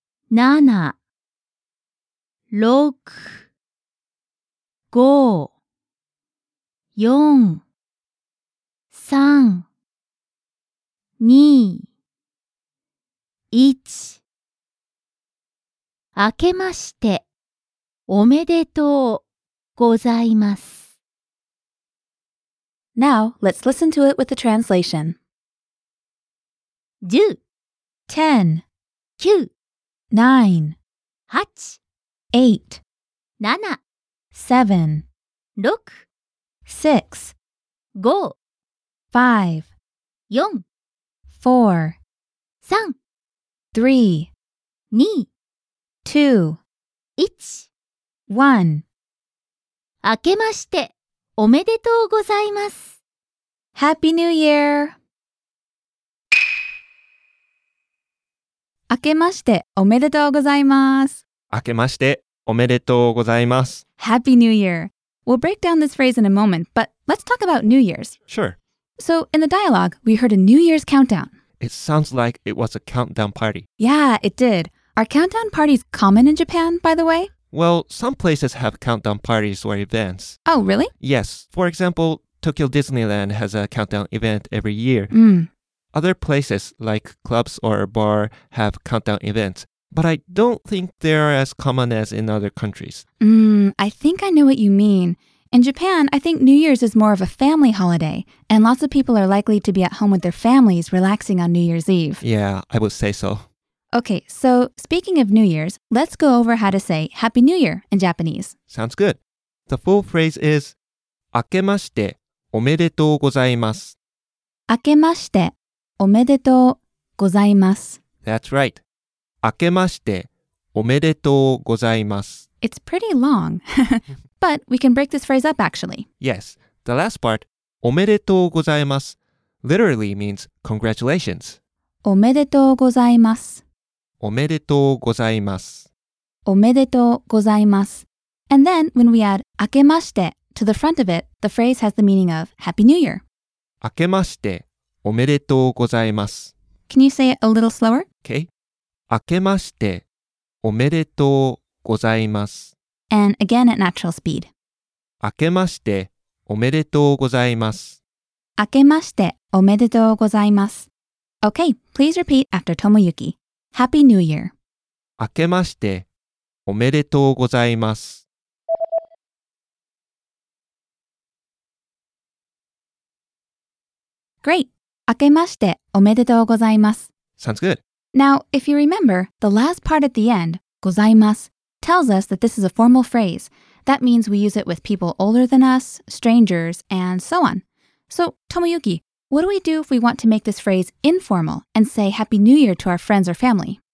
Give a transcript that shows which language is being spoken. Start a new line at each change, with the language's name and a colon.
Japanese: 7 6 5 4 3 2 1 明けましておめでとうございます。
English: Now, let's listen to it with the translation.
Japanese: 10 10 9
English: Nine,
Japanese: 八,
English: eight,
Japanese: 七,
English: seven,
Japanese: 六,
English: six,
Japanese: 五,
English: five,
Japanese: 四,
English: four,
Japanese: 三,
English: three,
Japanese: 二,
English: two,
Japanese: 一,
English: one.
Japanese: 明けましておめでとうございます。
English: Happy New Year!
Japanese: 明けましておめでとうございます。明けましておめでとうございます。
English: Happy New Year! We'll break down this phrase in a moment, but let's talk about New Year's. Sure. So, in the dialogue, we heard a New Year's countdown. It sounds like it was a countdown party. Yeah, it did. Are countdown parties common in Japan, by the way? Well, some places have countdown parties or events. Oh, really? Yes. For example, Tokyo Disneyland has a countdown event every year. Mm. Other places, like clubs or a bar, have countdown events. But I don't think they're as common as in other countries. I think I know what you mean. In Japan, I think New Year's is more of a family holiday, and lots of people are likely to be at home with their families relaxing on New Year's Eve. Yeah, I would say so. Okay, so speaking of New Year's, let's go over how to say Happy New Year in Japanese. Sounds good. The full phrase is,
Japanese: 明けましておめでとうございます。明けましておめでとうございます。
English: That's right.
Japanese: 明けましておめでとうございます。
English: It's pretty long, but we can break this phrase up actually. Yes. The last part,
Japanese: おめでとうございます,
English: literally means congratulations.
Japanese: おめでとうございます。おめでとうございます。おめでとうございます。
English: And then when we add 明けまして to the front of it, the phrase has the meaning of Happy New Year.
Japanese: 明けましておめでとうございます。
English: Can you say it a little slower? Okay.
Japanese: 明けましておめでとうございます。
English: And again at natural speed.
Japanese: 明けましておめでとうございます。明けましておめでとうございます。
English: Okay, please repeat after Tomoyuki. Happy New Year.
Japanese: 明けましておめでとうございます。
English: Great.
Japanese: 明けましておめでとうございます。
English: Sounds good. Now, if you remember, the last part at the end, ございます, tells us that this is a formal phrase. That means we use it with people older than us, strangers, and so on. So, Tomoyuki, what do we do if we want to make this phrase informal and say Happy New Year to our friends or family?